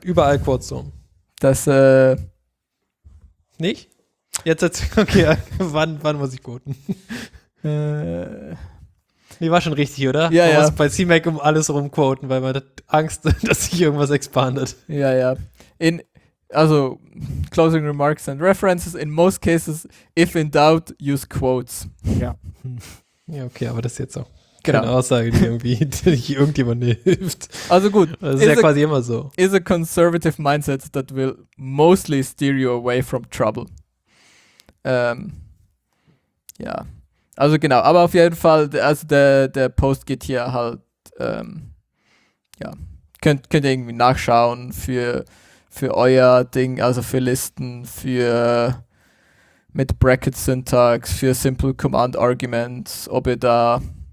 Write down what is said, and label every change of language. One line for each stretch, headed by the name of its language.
German: Überall Quotes drum. Das, Nicht? Jetzt erzähl, okay, wann muss ich quoten? Nee, war schon richtig, oder? Ja, ja. Bei CMake um alles rumquoten, weil man hat Angst, dass sich irgendwas expandet. Ja, ja.
English: Also, closing remarks and references. In most cases, if in doubt, use quotes.
German: Ja. Ja, okay, aber das ist jetzt auch keine Aussage, die irgendwie die irgendjemandem hilft. Also gut. Das ist ja quasi immer so.
English: Is a conservative mindset that will mostly steer you away from trouble.
German: Ja. Also genau, aber auf jeden Fall, also der Post geht hier halt, könnt ihr irgendwie nachschauen für euer Ding, also für Listen, für mit Bracket Syntax, für Simple Command Arguments, ob ihr da